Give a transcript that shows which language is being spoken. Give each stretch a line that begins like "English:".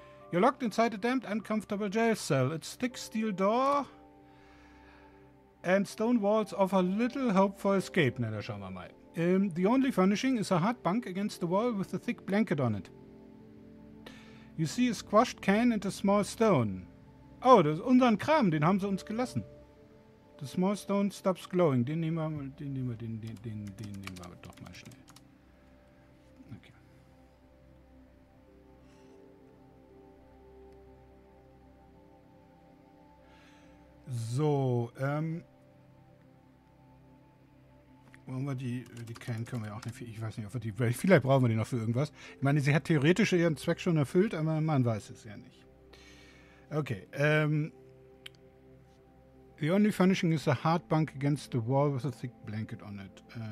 English: You're locked inside a damp, uncomfortable jail cell. Its thick steel door and stone walls offer little hope for escape.
German: Na, da schauen wir mal.
English: The only furnishing is a hard bunk against the wall with a thick blanket on it. You see a squashed can and a small stone.
German: Oh, das ist unseren Kram, den haben sie uns gelassen.
English: The small stone stops glowing.
German: Den nehmen wir doch mal schnell. Okay. So, wollen wir die Can können wir auch nicht. Ich weiß nicht, ob wir die. Vielleicht brauchen wir die noch für irgendwas. Ich meine, sie hat theoretisch ihren Zweck schon erfüllt, aber man weiß es ja nicht.
English: Okay, the only furnishing is a hard bunk against the wall with a thick blanket on it.